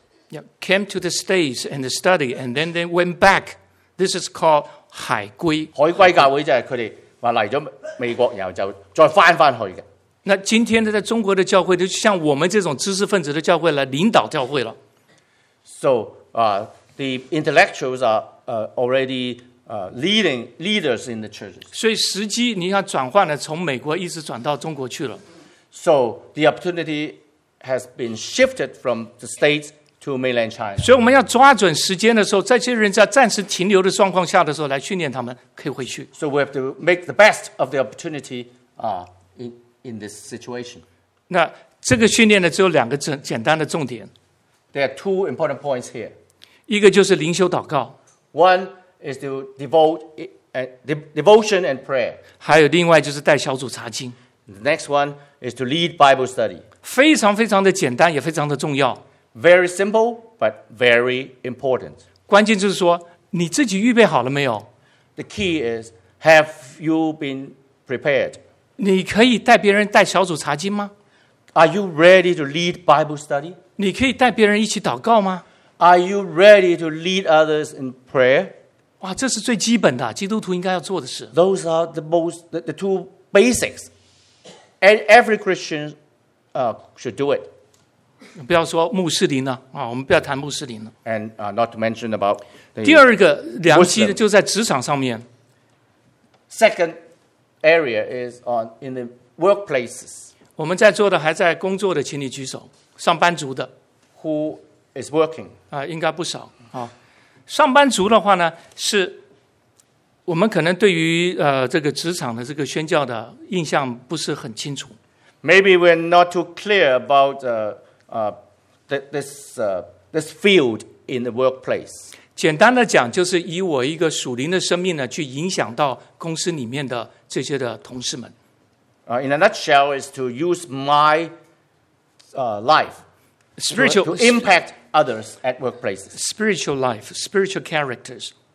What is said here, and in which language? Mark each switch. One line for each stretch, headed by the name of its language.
English: Yeah, came to the States and study, and then they went back. This is called 海归。
Chinese: 海归教会就是他们来了美国，然后就再翻回去的。那今天在中国的教会，就像我们这种知识分子的教会来领导教会了。
English: So, the intellectuals are already leaders in the churches.
Chinese: 所以时机你看转换了，从美国一直转到中国去了。
English: So the opportunity has been shifted from the States to mainland China.
Chinese: 所以我们要抓准时间的时候，在这些人在暂时停留的状况下的时候，来训练他们可以回去。
English: So we have to make the best of the opportunity in this situation.
Chinese: 那这个训练呢，只有两个简单的重点。
English: There are two important points here.
Chinese: 一个就是灵修祷告。
English: One is to devotion and prayer.
Chinese: 还有另外就是带小组查经。
English: The next one is to lead Bible study.
Chinese: 非常非常的简单，也非常的重要。
English: Very simple, but very important.
Chinese: 关键就是说，你自己预备好了没有？
English: The key is, have you been prepared?
Chinese: 你可以带别人带小组查经吗？
English: Are you ready to lead Bible study?
Chinese: 你可以带别人一起祷告吗？
English: Are you ready to lead others in prayer?
Chinese: 哇，这是最基本的，基督徒应该要做的事。
English: Those are the two basics. And every Christian should do it.
Chinese: 不要说穆斯林了，我们不要谈穆斯林了。
English: And not to mention about the Muslim.
Chinese: 第二个良机就在职场上面。
English: Second area is in the workplaces.
Chinese: 我们在座的还在工作的，请你举手。上班族的。
English: Who is working?
Chinese: 应该不少。上班族的话呢，是我们可能对于这个职场的这个宣教的印象不是很清楚。
English: Maybe we're not too clear about this field in the workplace. 简单的讲，就是以我一个属灵的生命呢，去影响到公司里面的这些的同事们。 In a nutshell, is to use my life spiritual to impact others at workplaces. Spiritual life, spiritual characters.